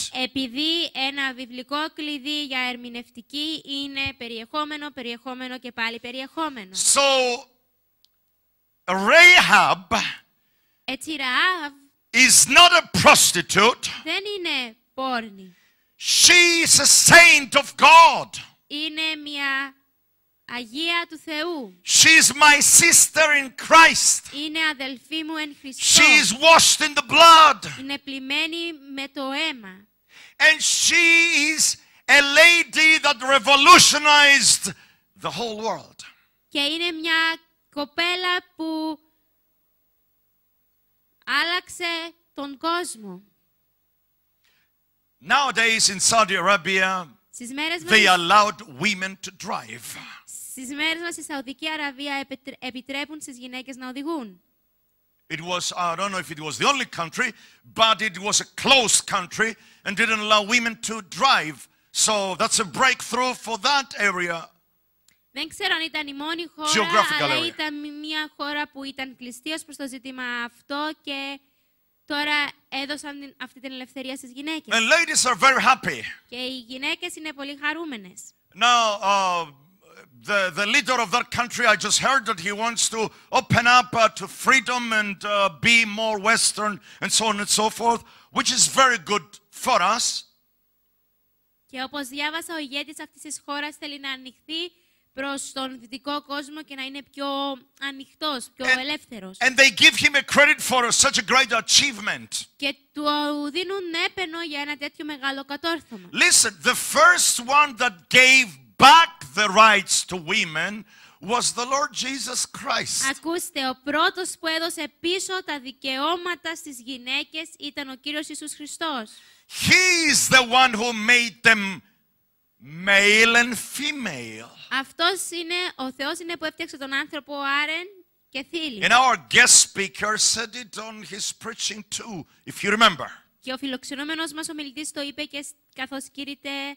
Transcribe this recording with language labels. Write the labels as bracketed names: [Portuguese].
[Greek] Επειδή ένα βιβλικό κλειδί για ερμηνευτική είναι περιεχόμενο, περιεχόμενο και πάλι περιεχόμενο. [English] So Rahab, [Greek] έτσι, Ραάβ, [English] is not a prostitute. [Greek] Δεν είναι πόρνη. [English] She is a saint of God. [Greek] Είναι μια Αγία του Θεού. [English] She is my sister in Christ. [Greek] Είναι αδελφή μου εν Χριστώ. [English] She is washed in the blood. [Greek] Είναι πλημμένη με το αίμα. [English] And she is a lady that revolutionized the whole world. [Greek] Και είναι μια κοπέλα που άλλαξε τον κόσμο. [English] Nowadays in Saudi Arabia, they allowed women to drive. [Greek] Στις μέρες μας, στη Σαουδική Αραβία, επιτρέπουν στις γυναίκες να οδηγούν. [English] It was, I don't know if it was the only country, but it was a closed country and didn't allow women to drive. So that's a breakthrough for that area. [Greek] Δεν ξέρω αν ήταν η μόνη χώρα, αλλά ήταν μια χώρα που ήταν κλειστή ως προς το ζήτημα αυτό και τώρα έδωσαν αυτή την ελευθερία στις γυναίκες. [English] And ladies are very happy. [Greek] Και οι γυναίκες είναι πολύ χαρούμενες. [English] Now, the leader of that country, I just heard that he wants to open up to freedom and be more Western and so on and so forth, which is very good for us. [Greek] Και όπως διάβασα, ο ηγέτης αυτής της χώρας θέλει να ανοιχθεί προς τον δυτικό κόσμο και να είναι πιο ανοιχτός, πιο ελεύθερος. [English] And they give him a credit for such a great achievement. [Greek] Και του δίνουν έπαινο για ένα τέτοιο μεγάλο κατόρθωμα. [English] Listen, the first one that gave back the rights to women was the Lord Jesus Christ. [Greek] Ακούστε, ο πρώτος που έδωσε πίσω τα δικαιώματα στις γυναίκες ήταν ο Κύριος Ιησούς Χριστός. [English] He is the one who made them male and female. [Greek] Αυτός είναι ο Θεός, είναι που έφτιαξε τον άνθρωπο άρεν και θήλη. [English] And our guest speaker said it on his preaching too, if you remember. [Greek] Και ο φιλοξενούμενος μας ομιλητής το είπε και καθώς κήρυτε.